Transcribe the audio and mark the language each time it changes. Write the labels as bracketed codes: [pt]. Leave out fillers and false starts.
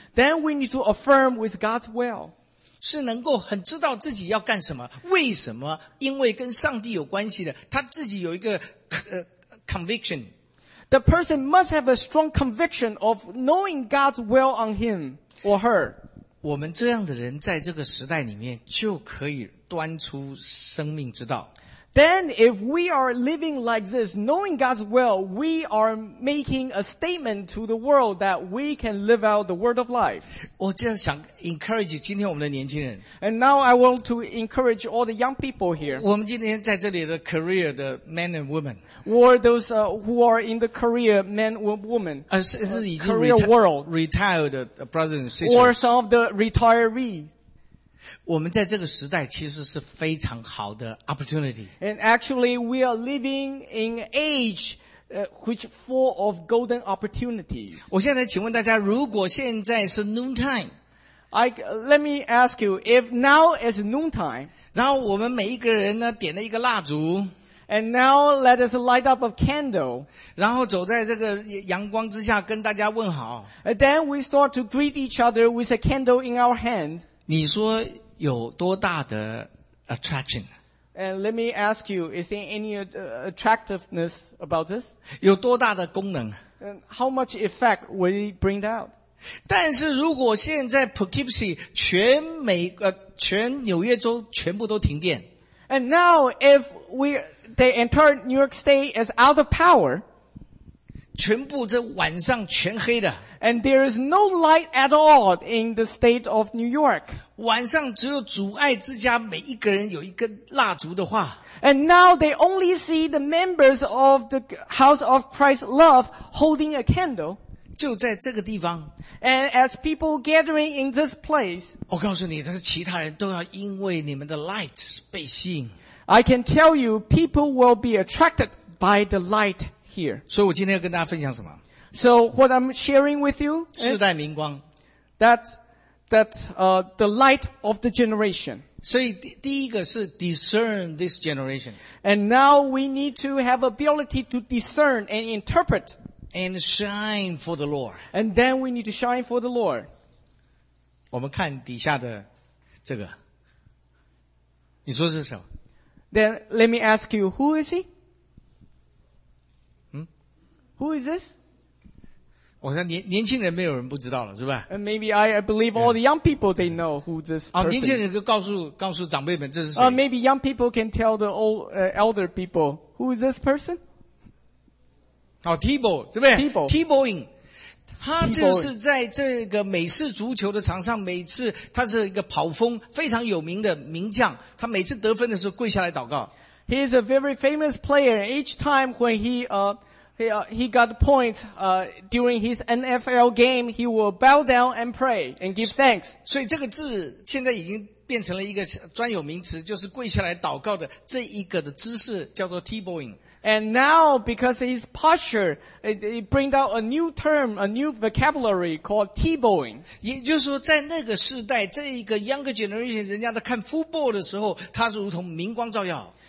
[en] Then we need to affirm with God's will. [zh] 是能够很知道自己要干什么，为什么，因为跟上帝有关系的，他自己有一个conviction. [en] The person must have a strong conviction of knowing God's will on him or her. [zh] 我们这样的人在这个时代里面就可以端出生命之道。 [en] Then if we are living like this, knowing God's will, we are making a statement to the world that we can live out the word of life. [zh] 我这样想 encourage 今天我们的年轻人。 [en] And now I want to encourage all the young people here. [zh] 我们今天在这里的 career 的 men and women. [en] Or those who are in the career men or women. [zh] 是已经 [en] career world. Retired brothers and sisters. Or some of the retirees. [zh] 我们在这个时代其实是非常好的 opportunity. [en] And actually, we are living in age, which full of golden opportunity. [zh] 我现在请问大家，如果现在是 noontime, [en] let me ask you, if now is noontime, [zh] 然后我们每一个人呢点了一个蜡烛， [en] and now let us light up a candle, [zh] 然后走在这个阳光之下跟大家问好， [en] and then we start to greet each other with a candle in our hand. [zh] 你说有多大的 attraction? [en] And let me ask you, is there any attractiveness about this? [zh] 有多大的功能？ [en] And how much effect will it bring out? [zh] 但是如果现在 Poughkeepsie 全美全纽约州全部都停电。 [en] And now if the entire New York State is out of power, [zh] 全部这晚上全黑的。 [en] And there is no light at all in the state of New York. [zh] 晚上只有主爱之家每一个人有一根蜡烛的话。 [en] And now they only see the members of the House of Christ's love holding a candle. [zh] 就在这个地方。 [en] And as people gathering in this place. [zh] 我告诉你，这个其他人都要因为你们的 light 被吸引。 [en] I can tell you, people will be attracted by the light here. [zh] 所以我今天要跟大家分享什么？ [en] So what I'm sharing with you is [zh] 世代明光 [en] the light of the generation. [zh] 所以第一个是 [en] discern this generation. And now we need to have ability to discern and interpret. And shine for the Lord. And then we need to shine for the Lord. [zh] 我们看底下的这个。你说是什么？ [en] Then let me ask you, who is he? Who is this? [zh] 我想 年轻人没有人不知道了，是吧？ [en] And maybe I believe all the young people they know who this person. [zh] 年轻人可以告诉长辈们这是谁。 [en] Maybe young people can tell the old elder people who is this person. [zh] 哦 ，Tebow 是不是 [en] ？Tebowing， [zh] 他就是在这个美式足球的场上，每次他是一个跑锋，非常有名的名将。他每次得分的时候跪下来祷告。 [en] He is a very famous player. Each time when he got points, during his NFL game, he will bow down and pray and give thanks. [zh] 所以这个字现在已经变成了一个专有名词，就是跪下来祷告的这一个的姿势叫做 T-bowing. [en] And now, because his posture, it brings out a new term, a new vocabulary called T-bowing. [zh] 也就是说在那个时代，这一个 [en] younger generation, [zh] 人家在看 football 的时候，他是如同明光照耀。